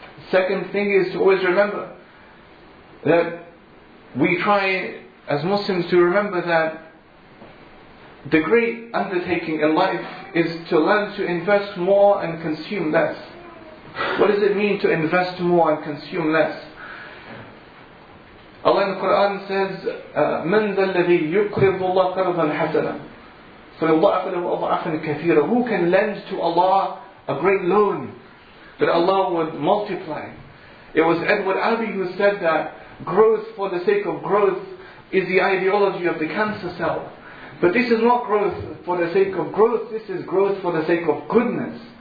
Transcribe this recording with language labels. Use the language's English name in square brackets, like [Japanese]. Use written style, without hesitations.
[English] Second thing is to always remember that we try as Muslims to remember that the great undertaking in life is to learn to invest more and consume less. What does it mean to invest more and consume less? Allah in the Quran says, [Arabic] "من ذا الذي يقرض الله قرضا حسنا فيضاعف له أضعافا كثيرة." [English] Who can lend to Allah a great loan that Allah would multiply? It was Edward Abbey who said that growth for the sake of growth is the ideology of the cancer cell. But this is not growth for the sake of growth, this is growth for the sake of goodness.